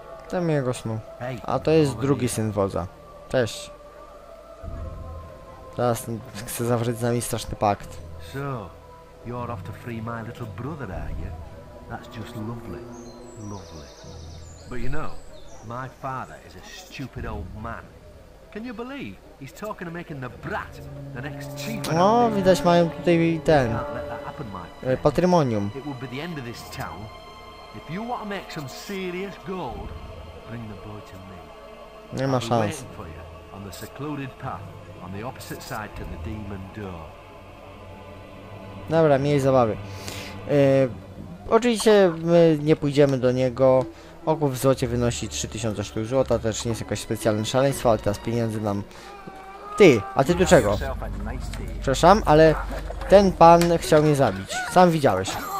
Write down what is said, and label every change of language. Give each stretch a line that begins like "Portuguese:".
Polish: Dam jego snu. A to jest drugi syn wodza. Cześć. Teraz chcę zawrzeć z nami straszny pakt.
English: So, you're off to free my little brother, are you? That's just lovely. Lovely. But you know, my father is a stupid old man. Can you believe he's talking of making the brat the next chief?
Polish: No, widać mają tutaj ten patrimonium.
English: It would be the end of this town. If you want to make some serious gold, bring the boy to me.
Polish: Nie ma szans.
English: On the secluded path on the opposite side to the demon door.
Polish: Dobra, miej zabawy. Oczywiście my nie pójdziemy do niego. Okup w złocie wynosi 3000 sztuk złota, to też nie jest jakaś specjalne szaleństwo, ale teraz pieniędzy nam... Ty, a ty tu czego? Przepraszam, ale ten pan chciał mnie zabić. Sam widziałeś.